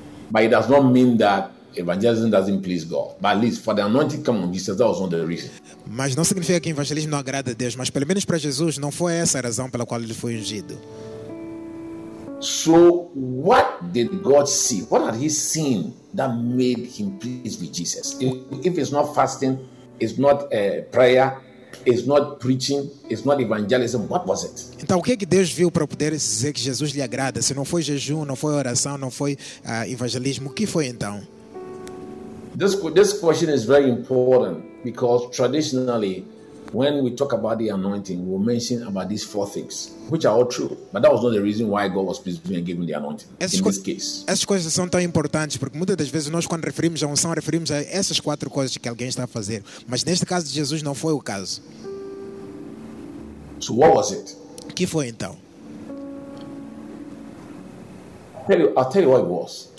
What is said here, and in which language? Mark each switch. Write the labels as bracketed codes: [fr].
[en] But it does not mean that evangelism doesn't please God. But at least for the anointing come on Jesus, that was not the reason. [pt] Mas não significa que o evangelismo não agrada a Deus, mas pelo menos para Jesus não foi essa a razão pela qual ele foi ungido. [en] So what did God see? What had he seen that made him pleased with Jesus? If it's not fasting, it's not prayer, it's not preaching, it's not evangelism, what was it? [pt] Então o que é que Deus viu para poder dizer que Jesus lhe agrada? Se não foi jejum, não foi oração, não foi evangelismo, o que foi então? [en] This question is very important because traditionally when we talk about the anointing, we mention about these four things, which are all true. But that was not the reason why God was pleased with me and gave me the anointing this case. [pt] Essas coisas são tão importantes, porque muitas das vezes nós quando referimos a unção, referimos a essas quatro coisas que alguém está a fazer. Mas neste caso de Jesus não foi o caso. [en] So what was it? [pt] O que foi então? [en] I'll tell you what it was.